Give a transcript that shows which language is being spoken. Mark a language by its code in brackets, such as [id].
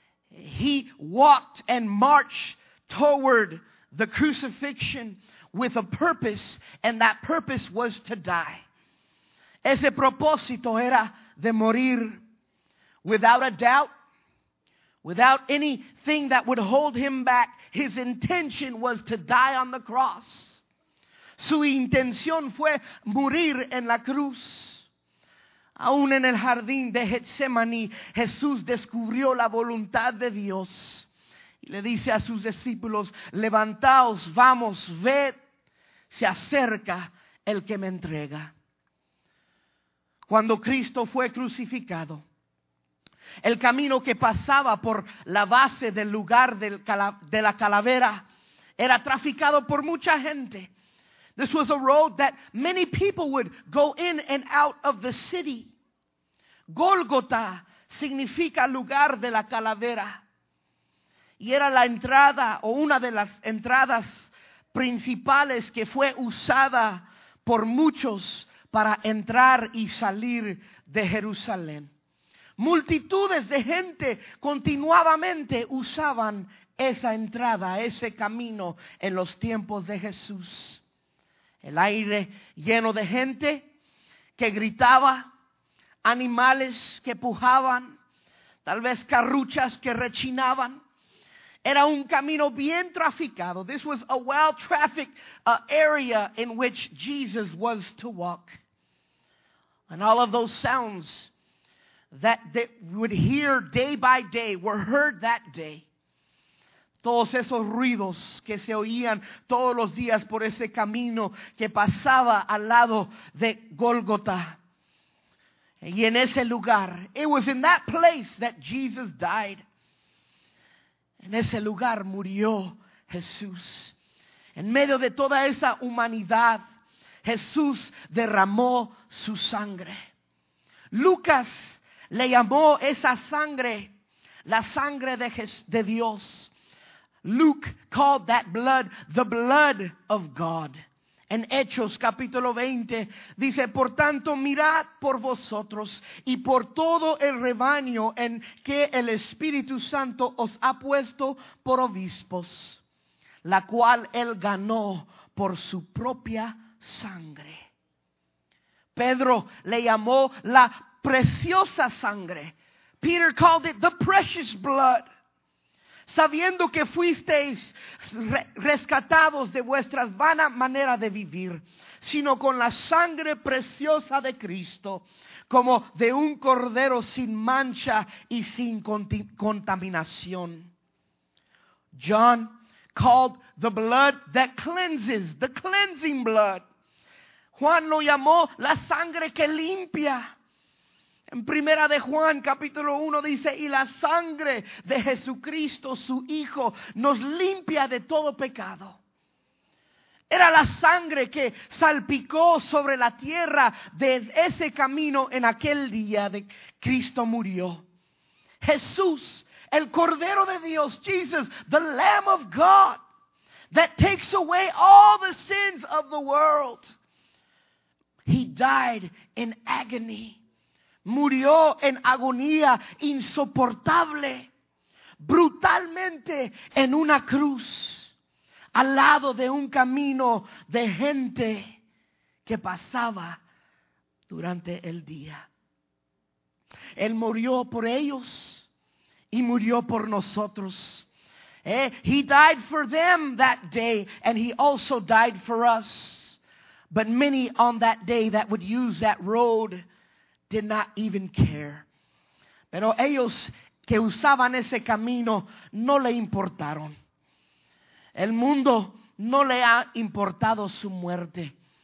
[en] He walked and marched toward the crucifixion with a purpose, and that purpose was to die. [es] Ese propósito era de morir. [en] Without a doubt, without anything that would hold him back, his intention was to die on the cross. [es] Su intención fue morir en la cruz. Aún en el jardín de Getsemaní, Jesús descubrió la voluntad de Dios. Y le dice a sus discípulos: levantaos, vamos, ved, se acerca el que me entrega. Cuando Cristo fue crucificado, el camino que pasaba por la base del lugar de la calavera era traficado por mucha gente. [en] This was a road that many people would go in and out of the city. [es] Gólgota significa lugar de la calavera. Y era la entrada o una de las entradas principales que fue usada por muchos para entrar y salir de Jerusalén. Multitudes de gente continuamente usaban esa entrada, ese camino en los tiempos de Jesús. El aire lleno de gente que gritaba, animales que pujaban, tal vez carruchas que rechinaban. Era un camino bien traficado. [en] This was a well-trafficked area in which Jesus was to walk. And all of those sounds that they would hear day by day were heard that day. [es] Todos esos ruidos que se oían todos los días por ese camino que pasaba al lado de Golgotha. Y en ese lugar, [en] it was in that place that Jesus died. [es] En ese lugar murió Jesús. En medio de toda esa humanidad, Jesús derramó su sangre. Lucas le llamó esa sangre la sangre de Dios. [en] Luke called that blood the blood of God. [es] En Hechos capítulo 20 dice, por tanto mirad por vosotros y por todo el rebaño en que el Espíritu Santo os ha puesto por obispos, la cual él ganó por su propia sangre. Pedro le llamó la preciosa sangre. [en] Peter called it the precious blood. [es] Sabiendo que fuisteis rescatados de vuestra vana manera de vivir, sino con la sangre preciosa de Cristo, como de un cordero sin mancha y sin contaminación. [en] John called the blood that cleanses, the cleansing blood. [es] Juan lo llamó la sangre que limpia. En primera de Juan capítulo 1 dice, y la sangre de Jesucristo su Hijo nos limpia de todo pecado. Era la sangre que salpicó sobre la tierra desde ese camino en aquel día de Cristo murió. Jesús, el Cordero de Dios, [en] Jesus, the Lamb of God, that takes away all the sins of the world. He died in agony. [es] Murió en agonía insoportable, brutalmente en una cruz, al lado de un camino de gente que pasaba durante el día. Él murió por ellos y murió por nosotros. [en] He died for them that day, and he also died for us. But many on that day that would use that road did not even care. [es] Pero ellos que usaban ese camino no le importaron. El mundo no le ha importado su muerte.